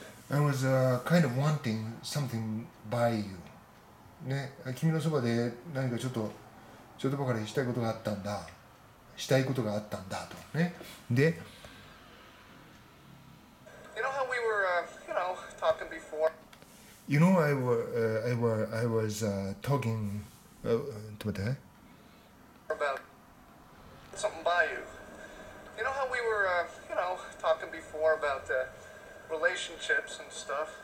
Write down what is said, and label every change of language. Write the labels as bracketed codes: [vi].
[en] I was kind of wanting something by you [ja] ね、君のそばで何かちょっとばかりしたいことがあったんだ、したいことがあったんだとね。で [en] You know how we were, you know, talking before? You know I was talking [ja] ちょっと待って [en] About something by you. You know how we were, you know, talking before about theRelationships and stuff.